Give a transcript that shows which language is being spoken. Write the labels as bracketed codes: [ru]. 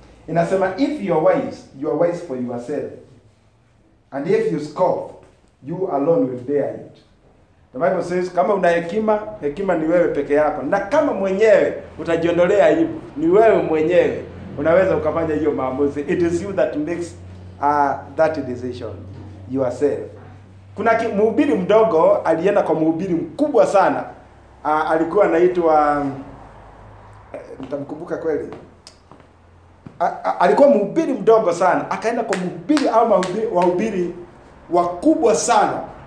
[sw] Inasema, [en] if you are wise, you are wise for yourself. And if you scoff, you alone will bear it. The Bible says, [sw] kama una hekima, hekima ni wewe peke yako. Na kama mwenyewe, utajiondolea hivyo, ni wewe mwenyewe, unaweza ukafanya hiyo maamuzi. [en] It is you that makes that decision, yourself. [sw] Kuna mhubiri mdogo, alienda kwa mhubiri mkubwa sana. Alikuwa anaitwa, nitamkumbuka kweli. Alikuwa mhubiri mdogo sana, akaenda kwa mhubiri au wahubiri wakubwa sana.